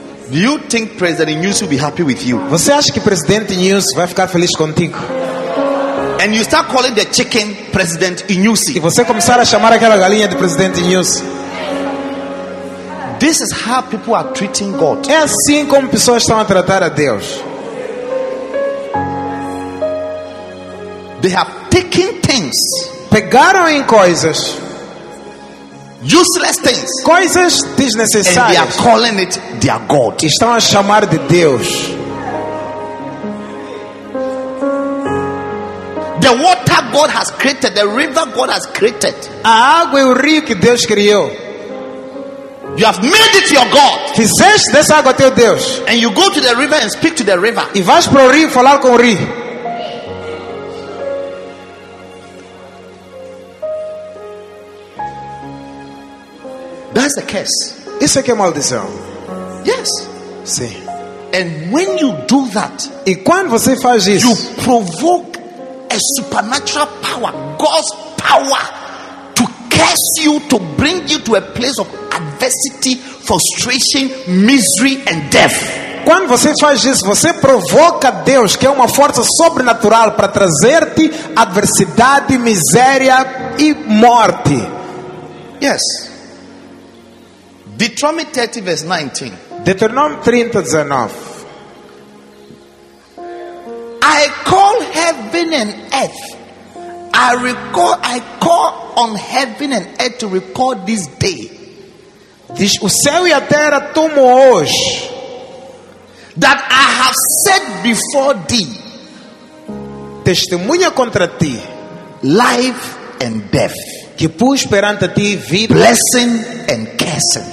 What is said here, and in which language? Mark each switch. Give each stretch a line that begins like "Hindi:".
English: Do you think President Nyusi will be happy with you?
Portuguese: Você acha que Presidente Nyusi vai ficar feliz contigo?
English: And you start calling the chicken President Nyusi.
Portuguese: E você começar a chamar aquela galinha de Presidente Nyusi.
English: This is how people are treating God.
Portuguese: É assim como pessoas estão a tratar a Deus.
English: They have taken things.
Portuguese: Pegaram em coisas.
English: Useless things.
Portuguese: Coisas desnecessárias.
English: And they are calling it their God.
Portuguese: Estão a chamar de Deus.
English: The water God has created, the river God has created.
Portuguese: A água e o rio que Deus criou.
English: You have made it your God.
Portuguese: Fizeste dessa água teu Deus.
English: And you go to the river and speak to the river.
Portuguese: E vais para o rio falar com o rio.
English: That's a curse.
Portuguese: Isso aqui é maldição.
English: Yes.
Portuguese: Sim.
English: And when you do that,
Portuguese: e quando você faz isso,
English: you provoke a supernatural power, God's power, to curse you, to bring you to a place of adversity, frustration, misery and death.
Portuguese: Quando você faz isso, você provoca Deus, que é uma força sobrenatural, para trazer-te adversidade, miséria e morte.
English: Yes. Deuteronomy 30 verse 19. Deuteronomy 30:19. I call heaven and earth. I call on heaven and earth to record this day.
Portuguese: Diz, o céu e a terra tomam hoje.
English: That I have set before thee.
Portuguese: Testemunha contra ti.
English: Life and death.
Portuguese: Que pus perante ti vida.
English: Blessing and curse.